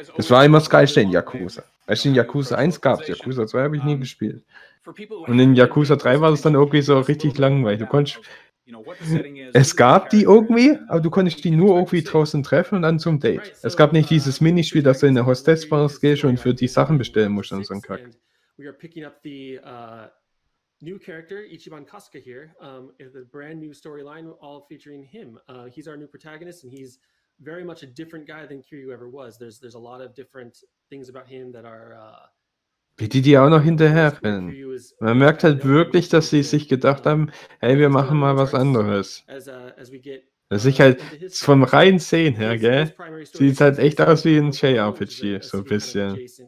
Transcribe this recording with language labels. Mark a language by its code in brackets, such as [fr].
[de] Das war immer das Geilste in Yakuza. Weißt du, in Yakuza 1 gab es, Yakuza 2 habe ich nie gespielt. Und in Yakuza 3 war es dann irgendwie so richtig langweilig. Du konntest. Es gab die irgendwie, aber du konntest die nur irgendwie draußen treffen und dann zum Date. Es gab nicht dieses Minispiel, dass du in der Hostess-Bar gehst und für die Sachen bestellen musst und so ein Kack. [en] We are picking up the new character Ichiban Kasuga here, the brand new storyline all featuring him. He's our new protagonist and he's very much a different guy than Kiryu ever was. There's a lot of different things about him that are [de] wie die auch noch hinterher rennen. Man merkt halt wirklich, dass sie sich gedacht haben, hey, wir machen mal was anderes. Dass ich halt vom reinen Sehen her, gell, sieht halt echt aus wie ein JRPG, so ein bisschen.